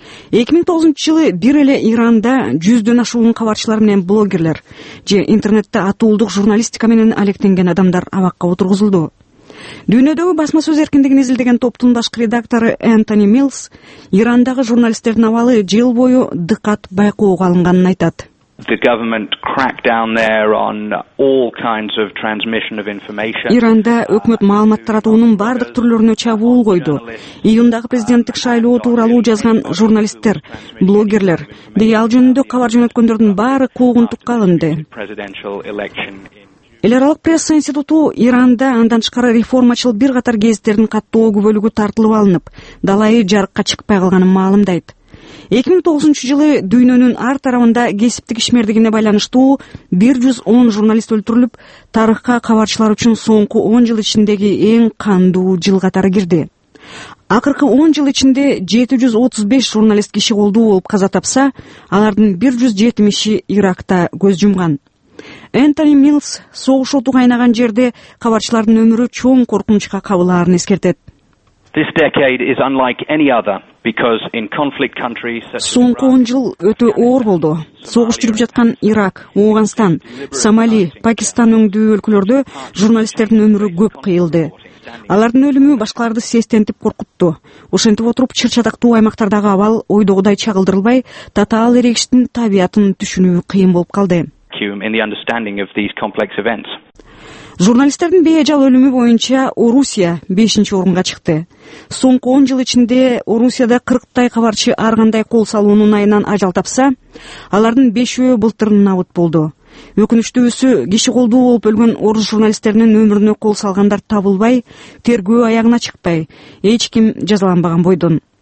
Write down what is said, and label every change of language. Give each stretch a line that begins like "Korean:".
Kyrgyz: 2009 жылы бир эле Иранда 100 ашуун кабарчылар менен блогерлер же интернетте атуулдук журналистика менен алектенген адамдар абакка отургузулду. Дүйнөдөгү басма сөз эркиндигин изилдеген топтун башкы редактору Энтони Миллс Ирандагы журналисттердин абалы жыл бою дыкат байкоого алынганын айтат.
English: The government cracked down there on all kinds of transmission of information.
Kyrgyz: Иранда өкмөт маалымат таратуунун бардык түрлөрүнө чабуул койду. Июндагы президенттик шайлоо тууралуу жазган журналисттер, блогерлер деп ал жөнүндө кабар жөнөткөндөрдүн баары куугунтукка алынды. Эл аралык пресса институту Иранда андан тышкары реформачыл бир катар гезиттердин каттоого бөлүгү тартылып алынып, далайы жарыкка чыкпай калганын маалымдайт. 2009 жылы дүйнөнүн ар тарабында кесиптик ишмердигине байланыштуу 110 журналист өлтүрүлүп, тарыхка кабарчылар үчүн соңку 10 жыл ичиндеги эң кандуу жыл катары кирди. Акыркы 10 жыл ичинде 735 журналист киши колдуу болуп каза тапса, алардын 170 Иракта көз жумган. Энтони Миллс согуш оту кайнаган жерде кабарчылардын өмүрү чоң коркунучка кабылаарын эскертет.
English: This decade is unlike any other because in conflict countries such as
Kyrgyz: 10 жыл өтө оор болду. Согуш жүрүп жаткан Ирак, Ооганстан, Сомали, Пакистан өңдүү өлкөлөрдө журналисттердин өмүрү көп кыйылды. Алардын өлүмү башкаларды сестентип коркутту. Ошентип отуруп, чыр-чатактуу аймактардагы абал ойдогудай чагылдырылбай, татаал эрегиштин табиятын түшүнүү кыйын болуп калды.
English: In the understanding of these complex events.
Kyrgyz: Журналисттердин бейэжал өлүмү боюнча Орусия 5-нчи орунга чыкты. Соңку 10 жыл ичинде Орусияда 40 кабарчы ар кандай кол салуунун айынан ажал тапса, алардын 5 былтыр набыт болду. Өкүнүчтүүсү, киши колдуу болуп өлгөн орус журналисттеринин өмүрүнө кол салгандар табылбай, тергөө аягына чыкпай, эч ким жазаланбаган бойдон.